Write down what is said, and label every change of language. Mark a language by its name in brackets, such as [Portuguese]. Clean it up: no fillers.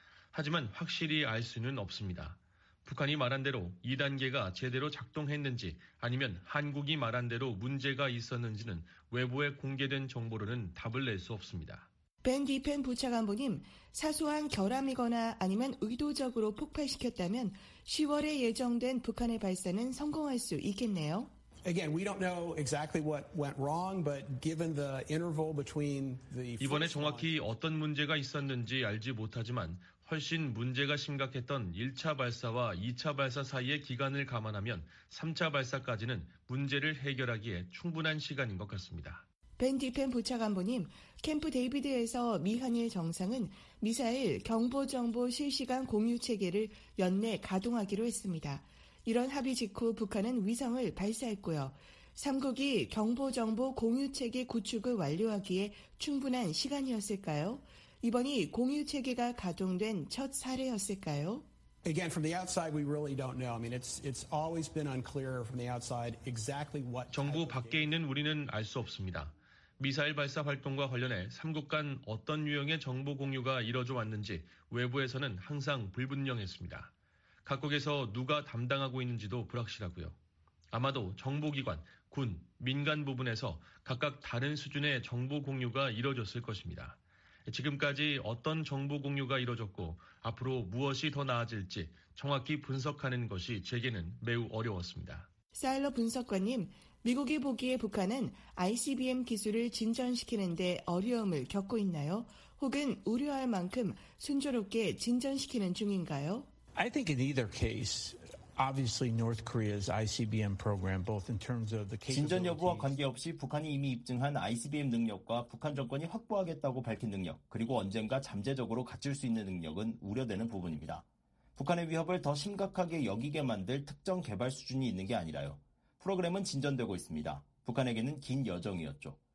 [Korean] 하지만 확실히 알 수는 없습니다. 북한이 말한 대로 2단계가 제대로 작동했는지 아니면 한국이 말한 대로 문제가 있었는지는 외부에 공개된 정보로는 답을 낼 수 없습니다. 벤 디펜 부차관보님, 사소한 결함이거나 아니면 의도적으로 폭발시켰다면 10월에 예정된 북한의 발사는 성공할 수 있겠네요. [English] Again, we don't know exactly what went wrong, but given the interval between the [Korean] 이번에 정확히 어떤 문제가 있었는지 알지 못하지만 훨씬 문제가 심각했던 1차 발사와 2차 발사 사이의 기간을 감안하면 3차 발사까지는 문제를 해결하기에 충분한 시간인 것 같습니다. 벤 디펜 부차관보님, 캠프 데이비드에서 미한일 정상은 미사일 경보 정보 실시간 공유 체계를 연내 가동하기로 했습니다. 이런 합의 직후 북한은 위성을 발사했고요. 3국이 경보 정보 공유 체계 구축을 완료하기에 충분한 시간이었을까요? 이번이 공유 체계가 가동된 첫 사례였을까요? [English] Again, from the outside, we really don't know. I mean, it's always been unclear from the outside exactly what [Korean] 정부 밖에 있는 우리는 알 수 없습니다. 미사일 발사 활동과 관련해 3국 간 어떤 유형의 정보 공유가 이뤄져 왔는지 외부에서는 항상 불분명했습니다. 각국에서 누가 담당하고 있는지도 불확실하고요. 아마도 정보기관, 군, 민간 부분에서 각각 다른 수준의 정보 공유가 이뤄졌을 것입니다. 지금까지 어떤 정보 공유가 이뤄졌고 앞으로 무엇이 더 나아질지 정확히 분석하는 것이 제게는 매우 어려웠습니다. 사일러 분석관님, 미국이 보기에 북한은 ICBM 기술을 진전시키는 데 어려움을 겪고 있나요? 혹은 우려할 만큼 순조롭게 진전시키는 중인가요? [English] I think in either case, obviously North Korea's ICBM program, both in terms of the [Korean] 진전 여부와 관계없이 북한이 이미 입증한 ICBM 능력과 북한 정권이 확보하겠다고 밝힌 능력, 그리고 언젠가 잠재적으로 갖출 수 있는 능력은 우려되는 부분입니다. 북한의 위협을 더 심각하게 여기게 만들 특정 개발 수준이 있는 게 아니라요. 프로그램은 진전되고 있습니다. 북한에게는 긴 여정이었죠.